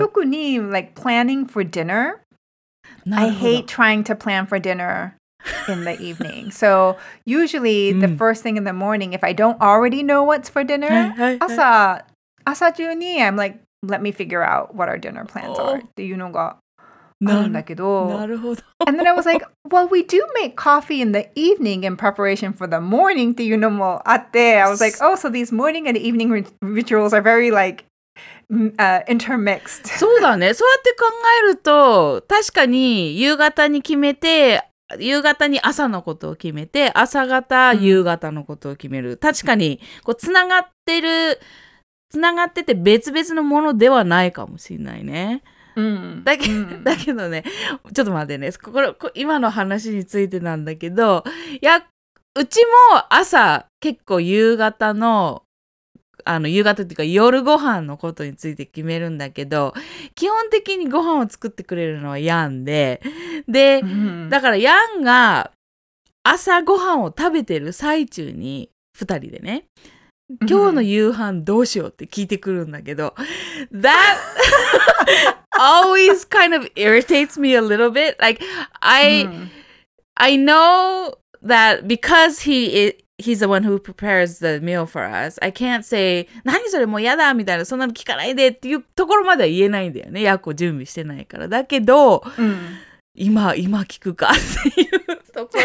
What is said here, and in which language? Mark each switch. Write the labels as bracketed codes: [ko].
[en] 特に like planning for dinner. I hate trying to plan for dinner. In the evening. So, usually the first thing in the morning, if I don't already know what's for dinner, [ja] 朝中に [en] I'm like, let me figure out what our dinner plans are. [ja] っていうのがあるんだけど。なるほど。 [en] And then I was like, well, we do make coffee in the evening in preparation for the morning. [ja] っていうのもあって。 [en] I was like, oh, so these morning and evening rituals are very like,intermixed. [ja] そうだね。そうやって考えると、確かに夕方に決めて、夕方に朝のことを決めて、朝方、夕方のことを決める。確かに、こう、繋がってて別々のものではないかもしれないね。だけどね、ちょっと待ってね、今の話についてなんだけど、うちも朝、結構夕方の、夕方っていうか夜ご飯のことについて決めるんだけど、基本的にご飯を作ってくれるのはヤンで、で、だからヤンが朝ご飯を食べてる最中に2人でね、今日の夕飯どうしようって聞いてくるんだけど、 [en] That always kind of irritates me a little bit. Like, I know that because he's the one who prepares the meal for us. I can't say, [ja] 何それもうやだみたいな、そんなの聞かないでっていうところまでは言えないんだよね。やっこ準備してないから。だけど、今聞くかっていうところ。